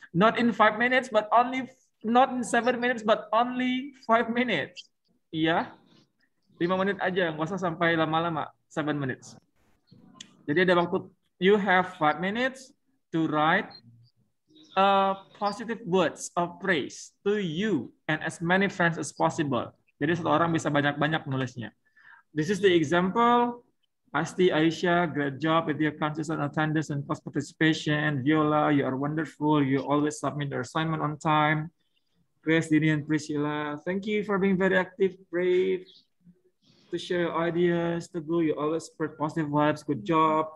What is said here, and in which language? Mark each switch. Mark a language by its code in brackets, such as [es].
[en] Not in 5 minutes, but only not in 7 minutes, but only 5 minutes. Yeah, 5 minutes [id] aja, nggak usah sampai lama-lama. [en] 7 minutes. [id] Jadi ada waktu. [en] You have 5 minutes to write positive words of praise to you and as many friends as possible. [id] Jadi satu orang bisa banyak-banyak nulisnya. [en] This is the example. Asti, Aisha, great job with your consistent attendance and past participation. Viola, you are wonderful. You always submit the assignment on time. Grace, Dini, and Priscilla, thank you for being very active, brave, to share your ideas, to go, you always spread positive vibes, good job.